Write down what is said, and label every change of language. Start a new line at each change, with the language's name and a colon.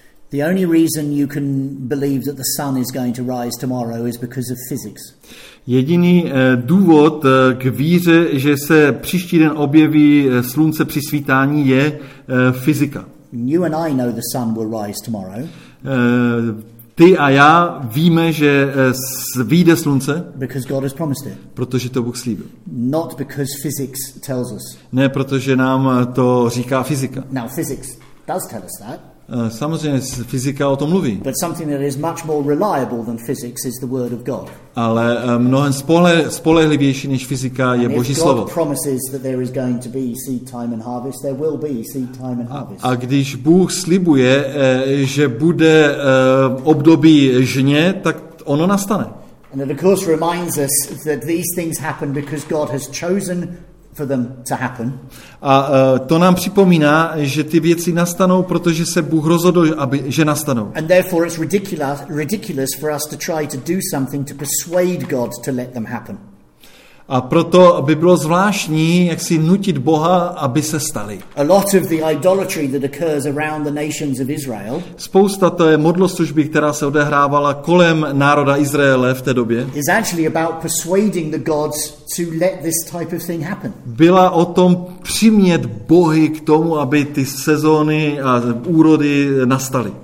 English: the only reason you can believe that the sun is going to rise tomorrow is because of physics.
Czech: Jediný důvod k víře, že se příští den objeví slunce při svítání, je fyzika.
English: You and I know the sun will rise tomorrow.
Czech: Ty a já víme, že vyjde slunce,
English: because God has promised it.
Czech: Protože to Bůh slíbil.
English: Not because physics tells us.
Czech: Ne, protože nám to říká fyzika.
English: Now physics does tell us that.
Czech: Samozřejmě fyzika o tom mluví.
English: But something that is much more reliable than physics is the word of God.
Czech: Ale mnohem spolehlivější než fyzika je
English: and
Czech: Boží
English: God
Czech: slovo.
English: God promises that there is going to be seed time and harvest, there will be seed time and harvest.
Czech: A když Bůh slibuje, že bude období žně, tak ono nastane.
English: And it of course reminds us that these things happen because God has chosen for them to happen.
Czech: A to nám připomíná, že ty věci nastanou, protože se Bůh rozhodl, aby že nastanou.
English: And therefore it's ridiculous for us to try to do something to persuade God to let them happen.
Czech: A proto by bylo zvláštní, jak si nutit Boha, aby se staly.
English: A lot of the idolatry that occurs around the nations of Israel.
Czech: Spousta té modloslužby, která se odehrávala kolem národa Izraele v té době.
English: Is actually about persuading the gods to let this type of thing happen.
Czech: Byla o tom přimět bohy k tomu, aby ty sezóny a úrody nastaly.